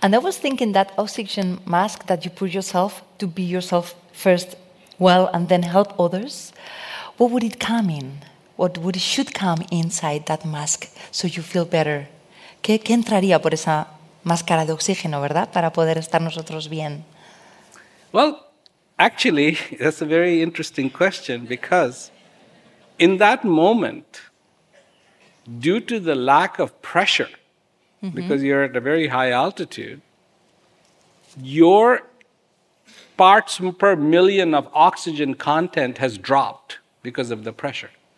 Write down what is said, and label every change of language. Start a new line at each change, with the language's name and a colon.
English: And I was thinking that oxygen mask that you put yourself to be yourself first well and then help others, what would it come in? What would it should come inside that mask so you feel better?
Spanish: ¿Qué entraría por esa máscara de oxígeno, ¿verdad? Para poder estar nosotros bien.
English: Well, actually, that's a very interesting question because in that moment, due to the lack of pressure, mm-hmm. because you're at a very high altitude, your parts per million of oxygen content has dropped because of the pressure.